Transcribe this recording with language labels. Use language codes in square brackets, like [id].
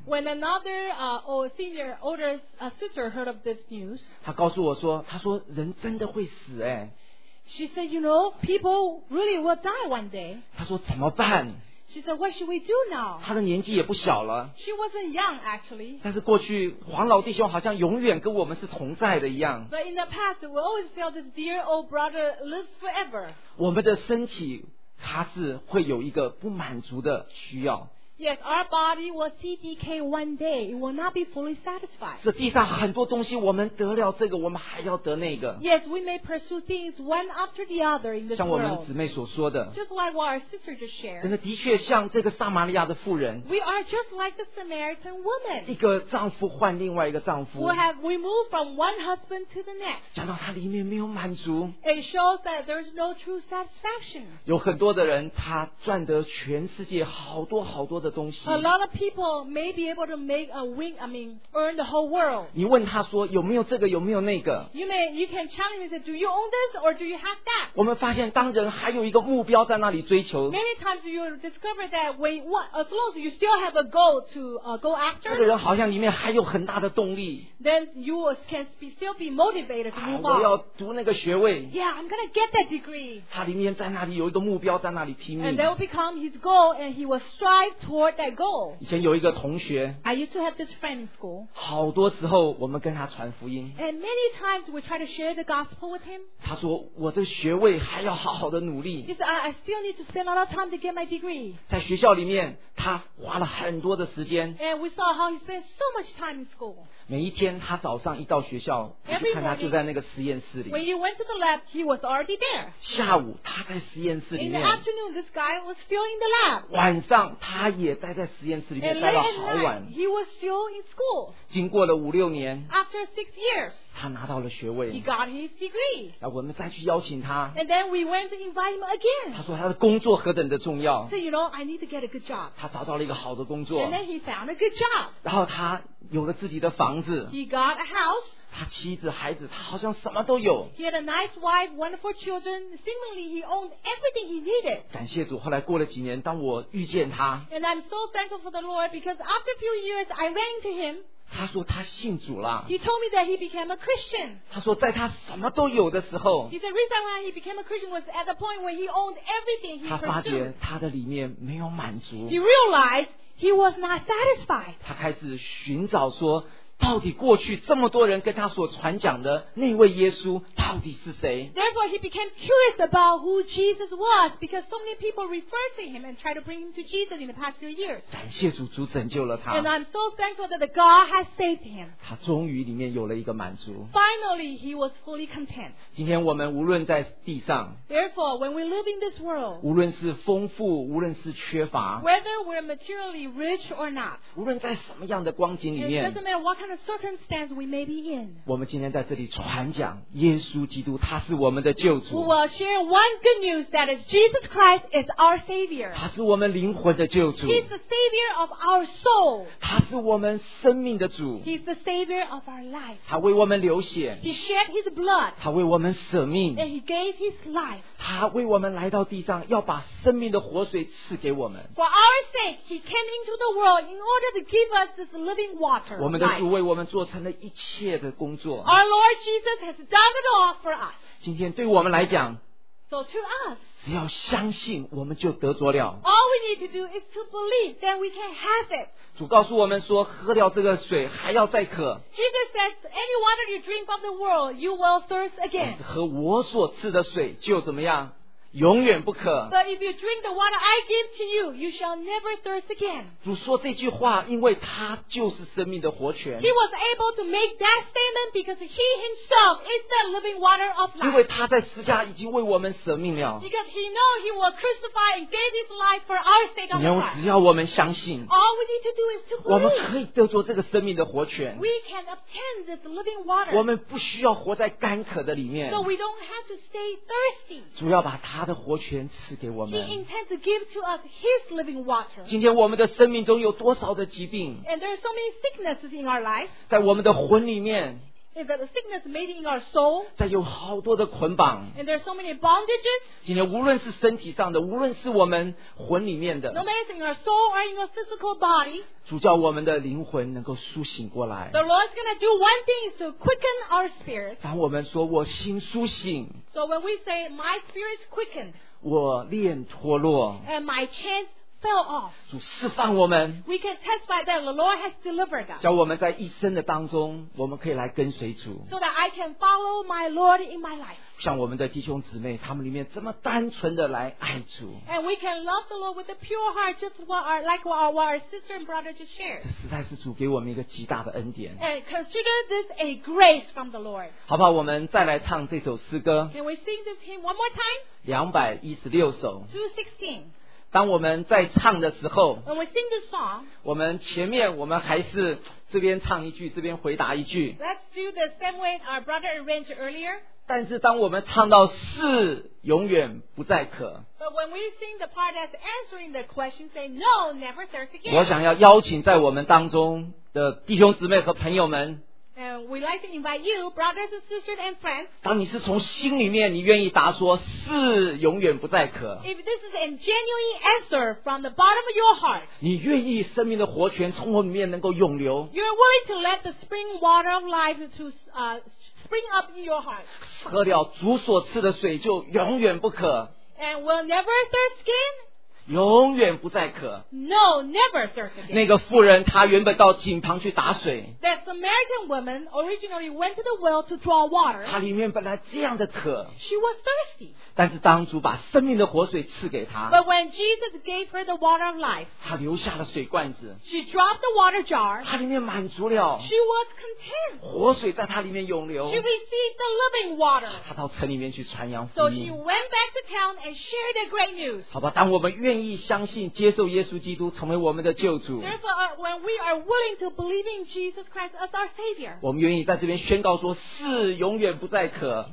[en] When another, senior, older, sister heard of this news, [zh] 她告诉我说她说人真的会死哎 [en] She said, you know, people really will die one day [zh] 她说怎么办 [en] She said, what should we do now? [zh] 她的年纪也不小了。 [en] She wasn't young, actually. [zh] 但是过去黄老弟兄好像永远跟我们是同在的一样。 [en] But in the past, we always felt this dear old brother lives forever. [zh] 我们的身体它是会有一个不满足的需要。 [en] Yes, our body will see decay one day. It will not be fully satisfied. [zh] 这地上很多东西我们得了这个我们还要得那个。 [en] Yes, we may pursue things one after the other in this world. [zh] 像我们姊妹所说的。 [en] Just like what our sister just shared. [zh] 真的的确像这个撒玛利亚的妇人。 [en] We are just like the Samaritan woman. [zh] 一个丈夫换另外一个丈夫。 [en] We move from one husband to the next. [zh] 讲到他里面没有满足。 [en] It shows that there is no true satisfaction. [zh] 有很多的人他赚得全世界好多好多的 [en] A lot of people may be able to make a win, I mean, earn the whole world. [zh] 你问他说有没有这个有没有那个 [en] You can challenge him and say, do you own this or do you have that? [zh] 我们发现当人还有一个目标在那里追求 [en] Many times you discover that when, as long as you still have a goal to go after, [zh] 这个人好像里面还有很大的动力 [en] Then you can still be motivated to move on. [zh] 我要读那个学位 [en] Yeah, I'm going to get that degree. [zh] 他里面在那里有一个目标在那里拼命 [en] And that will become his goal and he will strive toward that goal. [zh] 以前有一个同学 [en] I used to have this friend in school. [zh] 好多时候我们跟他传福音 [en] And many times we try to share the gospel with him. [zh] 他说我的学位还要好好的努力 [en] He said, I still need to spend a lot of time to get my degree. [zh] 在学校里面他花了很多的时间 [en] And we saw how he spent so much time in school. [zh] 每一天他早上一到学校你看他就在那个实验室里 [en] When you went to the lab, he was already there. [zh] 下午他在实验室里面 [en] In the afternoon, this guy was still in the lab. [zh] 晚上他也也待在实验室里面待到好晚。 [en] He was still in school. [zh] 经过了五六年。 [en] After 6 years. [zh] 他拿到了学位。 [en] He got his degree. [zh] 那我们再去邀请他。 [en] And then we went to invite him again. [zh] 他说他的工作何等的重要。 [en] So you know, I need to get a good job. [zh] 他找到了一个好的工作。 [en] And then he found a good job. [zh] 然后他有了自己的房子。 [en] He got a house. [zh] 他妻子孩子他好像什么都有 [en] He had a nice wife, wonderful children. Seemingly he owned everything he needed. [zh] 感谢主后来过了几年当我遇见他 [en] And I'm so thankful for the Lord because after a few years I ran into him. [zh] 他说他信主了 [en] He told me that he became a Christian. [zh] 他说在他什么都有的时候 [en] He said the reason why he became a Christian was at the point where he owned everything he pursued. [zh] 他发觉他的里面没有满足 [en] He realized he was not satisfied. [zh] 他开始寻找说到底过去这么多人跟他所传讲的那位耶稣到底是谁 [en] Therefore he became curious about who Jesus was because so many people referred to him and tried to bring him to Jesus in the past few years [zh] 感谢主主拯救了他 [en] And I'm so thankful that God has saved him [zh] 他终于里面有了一个满足 [en] Finally he was fully content [zh] 今天我们无论在地上 [en] Therefore when we live in this world [zh] 无论是丰富无论是缺乏 [en] Whether we're materially rich or not [zh] 无论在什么样的光景里面 [en] It doesn't matter what kind of circumstance we may be in. [zh] 我们今天在这里传讲耶稣基督他是我们的救主。 [en] We will share one good news that is Jesus Christ is our Savior. [zh] 他是我们灵魂的救主。 [en] He's the Savior of our soul. [zh] 他是我们生命的主。 [en] He's the Savior of our life. [zh] 他为我们流血。 [en] He shed his blood. [zh] 他为我们舍命。 [en] And he gave his life. [zh] 他为我们来到地上要把生命的活水赐给我们。 [en] For our sake, he came into the world in order to give us this living water. [zh] 我们的主为我们做成了一切的工作。 [en] Our Lord Jesus has done it all for us. [zh] 今天对我们来讲 [en] So to us, [zh] 只要相信我们就得着了。 [en] All we need to do is to believe that we can have it. [zh] 主告诉我们说喝掉这个水还要再渴。 [en] Jesus says, any water you drink from the world, you will thirst again. [zh] 喝我所赐的水就怎么样永远不渴。 [en] But if you drink the water I give to you, you shall never thirst again. [zh] 主说这句话，因为他就是生命的活泉。 [en] He was able to make that statement because he himself is the living water of life. [zh] 因为他在十架已经为我们舍命了。 [en] Because he knows he was crucified and gave his life for our sake. [zh] 今天只要我们相信。 [en] All we need to do is to believe. [zh] 我们可以得着这个生命的活泉。 [en] We can obtain this living water. [zh] 我们不需要活在干渴的里面。 [en] So we don't have to stay thirsty. [zh] 主要把他的活泉赐给我们 [en] He intends to give to us his living water [zh] 今天我们的生命中有多少的疾病 [en] And there are so many sicknesses in our life [zh] 在我们的魂里面 [en] Is that a sickness made in our soul [zh] 在有好多的捆绑 [en] And there are so many bondages [zh] 今天无论是身体上的无论是我们魂里面的 [en] No matter in our soul or in our physical body [zh] 主叫我们的灵魂能够苏醒过来 [en] The Lord is going to do one thing is to quicken our spirit [zh] 当我们说我心苏醒 [en] So when we say, my spirit is quickened, [zh] 我链脱落 [en] and my chains fell off, [zh] 主释放我们 [en] we can testify that the Lord has delivered us, [zh] 叫我们在一生的当中我们可以来跟随主 [en] so that I can follow my Lord in my life. [zh] 像我们的弟兄姊妹他们里面这么单纯的来爱主 [en] and we can love the Lord with a pure heart, just what our sister and brother just shared. [zh] 这实在是主给我们一个极大的恩典 [en] and consider this a grace from the Lord. [zh] 好不好我们再来唱这首诗歌 [en] can we sing this hymn one more time? [zh] 216首 [en] 216 [zh] 当我们在唱的时候 [en] When we sing the song, [zh] 我们前面我们还是这边唱一句这边回答一句 [en] Let's do the same way our brother arranged earlier [zh] 但是当我们唱到是永远不再渴 [en] But when we sing the part that's answering the question say no never thirst again [zh] 我想要邀请在我们当中的弟兄姊妹和朋友们 [en] And we like to invite you brothers and sisters and friends [zh] 当你是从心里面你愿意答说是永远不再渴 [en] If this is a genuine answer from the bottom of your heart [zh] 你愿意生命的活泉从我里面能够涌流 [en] You're willing to let the spring water of life to spring up in your heart [zh] 喝了主所赐的水就永远不渴 [en] And will never thirst again [zh] 永远不再渴 [en] No, never thirst again [zh] 那个妇人她原本到井旁去打水 [en] That Samaritan woman originally went to the well to draw water [zh] 她里面本来这样的渴 [en] She was thirsty [zh] 但是当主把生命的活水赐给她 [en] But when Jesus gave her the water of life [zh] 她留下了水罐子 [en] She dropped the water jar [zh] 她里面满足了 [en] She was content [zh] 活水在她里面涌流 [en] She received the living water [zh] 她到城里面去传扬福音 [en] So she went back to town and shared the great news [zh] 好吧当我们愿愿意相信接受耶稣基督成为我们的救主 [en] Therefore, when we are willing to believe in Jesus Christ as our Savior, [zh] 我们愿意在这边宣告说是永远不再渴